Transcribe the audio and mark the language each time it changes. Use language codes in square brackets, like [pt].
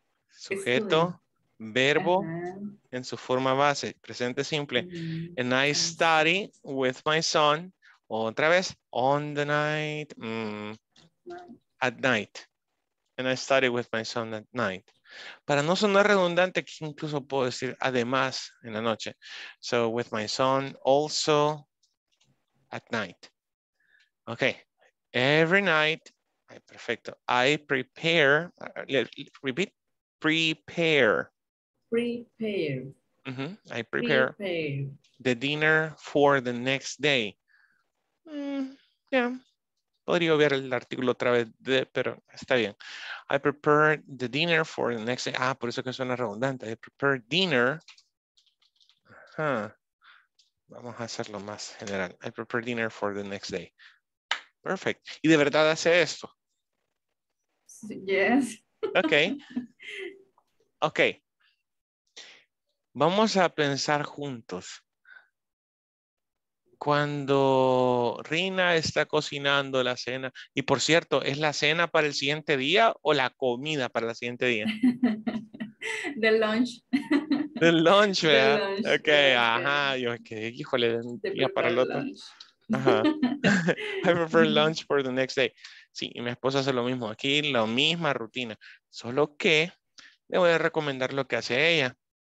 [es] Sujeto, verbo, en su forma base, presente simple. Mm-hmm. [en] And I study with my son. [es] Otra vez, [en] on the night, at night. and I study with my son at night. [es] Para no sonar redundante, aquí incluso puedo decir además en la noche. [en] So with my son also at night. Okay, every night, perfecto. I prepare, repeat, prepare. Prepare. Mm-hmm. I prepare, prepare the dinner for the next day. Mm, yeah. [es] Podría ver el artículo otra vez, pero está bien. [en] I prepare the dinner for the next day. [es] Ah, por eso que suena redundante. [en] I prepare dinner. [es] Huh. Vamos a hacerlo más general. [en] I prepare dinner for the next day. Perfect. [es] ¿Y de verdad hace esto? [en] Yes. [es] Okay. Okay. Vamos a pensar juntos. Cuando Rina está cocinando la cena, y por cierto, ¿es la cena para el siguiente día o la comida para el siguiente día? [en] The lunch. The lunch, ¿verdad? The lunch. Okay, yeah, ajá, yo que okay. [es] Híjole, un día para el otro. [en] Ajá. I prefer lunch for the next day. [es] Sí, y mi esposa hace lo mismo. Aquí la misma rutina, solo que le voy a recomendar lo que hace ella.